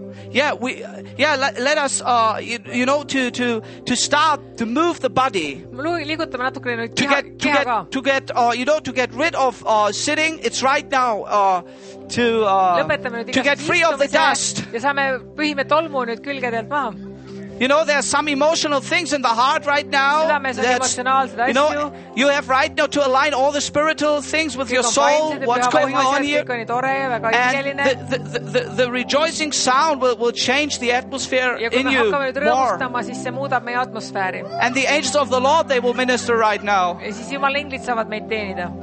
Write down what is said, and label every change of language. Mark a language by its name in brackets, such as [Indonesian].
[English] Yeah, let us you know to start to move the body. [Estonian] Liigutame natukene nüüd [English] to get rid of sitting. It's right now to get free of the dust. [Estonian] Ja saame pühime tolmu nüüd külgedelt maha. [English] You know, there are some emotional things in the heart right now. You know, you have right now to align all the spiritual things with your soul. What's going on here? And the rejoicing sound will change the atmosphere in you more. And the angels of the Lord, they will minister right now.